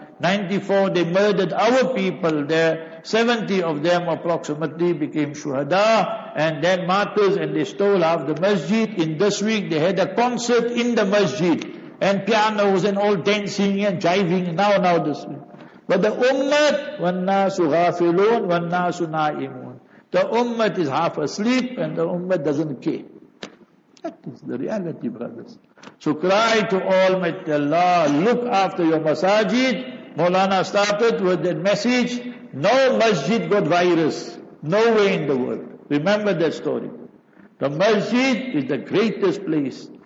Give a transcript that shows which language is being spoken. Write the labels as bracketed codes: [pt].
[en] 94, they murdered our people there. 70 of them approximately became shuhada and then martyrs, and they stole half the masjid. In this week, they had a concert in the masjid and pianos and all dancing and jiving. Now this week. But the ummah, [ar] وَالنَّاسُ غَافِلُونَ وَالنَّاسُ نَائِمُونَ. [en] The ummah is half asleep and the ummah doesn't care. That is the reality, brothers. So cry to Almighty Allah, look after your masajid. Maulana started with that message. No masjid got virus. No way in the world. Remember that story. The masjid is the greatest place.